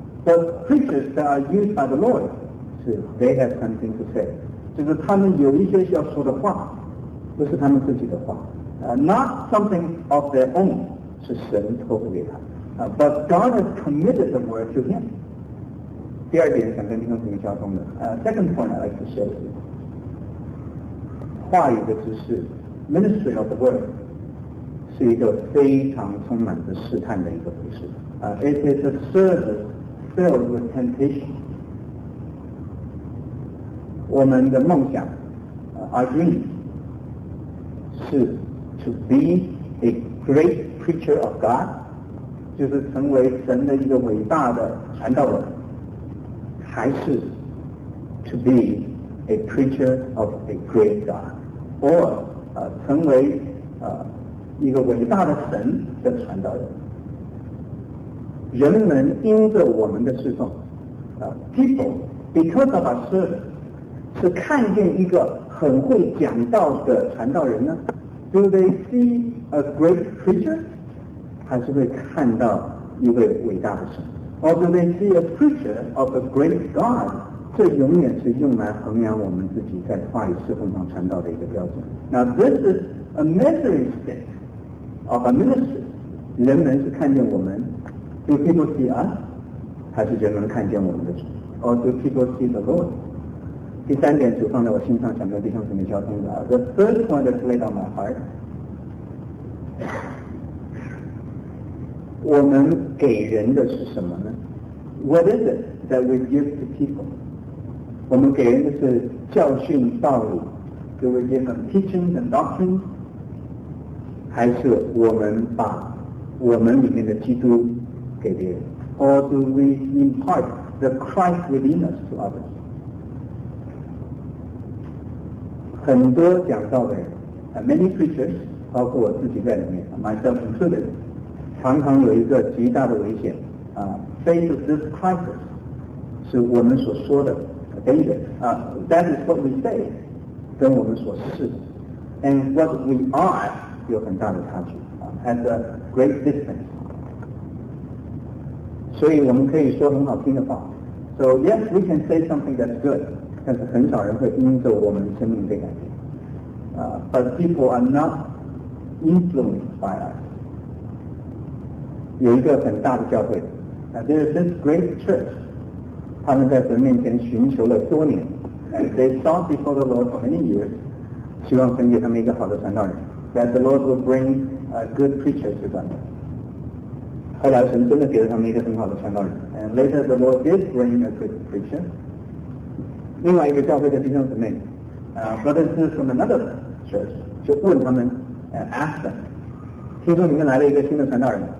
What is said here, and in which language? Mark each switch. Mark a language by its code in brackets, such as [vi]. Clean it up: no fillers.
[en] The preachers that are used by the Lord. [zh] 是 [en] they have something to say. [zh] 就是他们有一些要说的话。不是他们自己的话 [en] ，not something of their own， [zh] 是神托付给他。 [en] But God has committed the word to him。 [zh] 第二点想跟弟兄姊妹交通的。 [en] Second point I'd like to share with you， [zh] 话语的知识 [en] ，ministry of the word， [zh] 是一个非常充满着试探的一个服事。 [en] It is a service filled with temptation。 [zh] 我们的梦想 [en] ，our dream。 To be a great preacher of God， [zh] 就是成为神的一个伟大的传道人，还是 [en] to be a preacher of a great God， [zh] 或成为一个伟大的神的传道人。人们因着我们的侍奉， [en] people because of our service， [zh] 是看见一个很会讲道的传道人呢？ [en] Do they see a great preacher？ [zh] 还是会看到一位伟大的神？ [en] Or do they see a preacher of a great God？ [zh] 这永远是用来衡量我们自己在话语侍奉上传道的一个标准。 [en] Now this is a measuring stick of a minister。 [zh] 人们是看见我们。 [en] Do people see us？ [zh] 还是人们看见我们的主？ [en] Or do people see the Lord？ [zh] 第三点主放在我心上，想跟弟兄姊妹交通的。 [en] The third point is laid on my heart。 [zh] 我们给人的是什么呢？ [en] What is it that we give to people？ [zh] 我们给人的是教训道理。 [en] Do we give them teachings and doctrines？ [zh] 还是我们把我们里面的基督给别人？ [en] Or do we impart the Christ within us to others？ [zh] 很多讲道的人， [en] many preachers， [zh] 包括我自己在里面， [en] myself included， [zh] 常常有一个极大的危险， [en] face this crisis， [zh] 是我们所说的 [en] danger， that is what we say， [zh] 跟我们所是的 [en] and what we are [zh] 有很大的差距， [en] and a great distance。 [zh] 所以我们可以说很好听的话， [en] So yes we can say something that's good， [zh] 但是很少人会因着我们的生命被改变。 [en] But people are not influenced by us。 [zh] 有一个很大的教会， [en] Now, there is this great church， [zh] 他们在神面前寻求了多年， [en] And they sought before the Lord for many years， [zh] 希望神给他们一个好的传道人， [en] That the Lord will bring a good preacher to them。 [zh] 后来神真的给了他们一个很好的传道人。 [en] And later the Lord did bring a good preacher。 [zh] 另外一个教会的弟兄姊妹， [en] brothers from another church， [zh] 就问他们， [en] and ask them， [zh] 听说你们来了一个新的传道人。